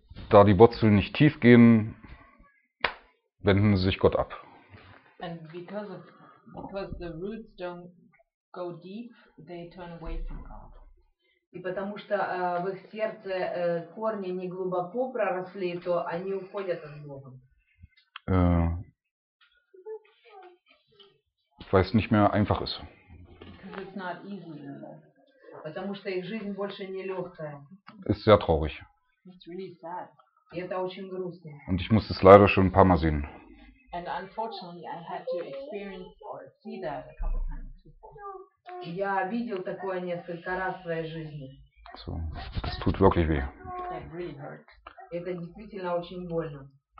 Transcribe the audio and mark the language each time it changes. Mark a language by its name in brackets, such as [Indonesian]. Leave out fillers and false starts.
[German] da die Wurzeln nicht tief gehen, wenden sie sich Gott ab. [English] And because the roots don't go deep, they turn away from God. [Russian] И потому что в их сердце корни не глубоко проросли, то они уходят от Бога. [German] Weil es nicht mehr einfach ist. [English] Because it's not easy anymore. [Russian] Потому что их жизнь больше не легкая. [German] Ist sehr traurig. [English] It's really sad. [Russian] И это очень грустно. [German] Und ich musste es leider schon ein paar Mal sehen. [English] And unfortunately, I had to experience or see that a couple times before. [Russian] Я видел такое несколько раз в своей жизни. [German] So, das tut wirklich weh. [English] That really hurts. [Russian] Это действительно очень больно.